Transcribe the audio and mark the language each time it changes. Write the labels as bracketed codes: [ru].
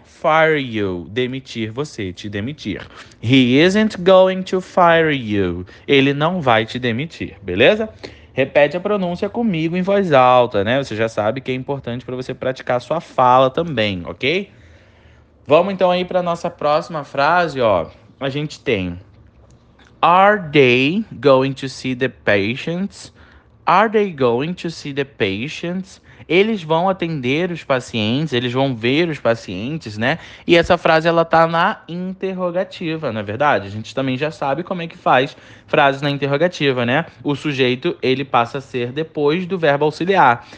[en] Fire you. [pt] Demitir você, te demitir. [en] He isn't going to fire you. [pt] Ele não vai te demitir, beleza? Repete a pronúncia comigo em voz alta, né? Você já sabe que é importante para você praticar a sua fala também, ok? Vamos então aí para nossa próxima frase, ó. A gente tem: [en] Are they going to see the patients? Are they going to see the patients? [pt] Eles vão atender os pacientes, eles vão ver os pacientes, né? E essa frase ela tá na interrogativa, não é verdade? A gente também já sabe como é que faz frases na interrogativa, né? O sujeito ele passa a ser depois do verbo auxiliar.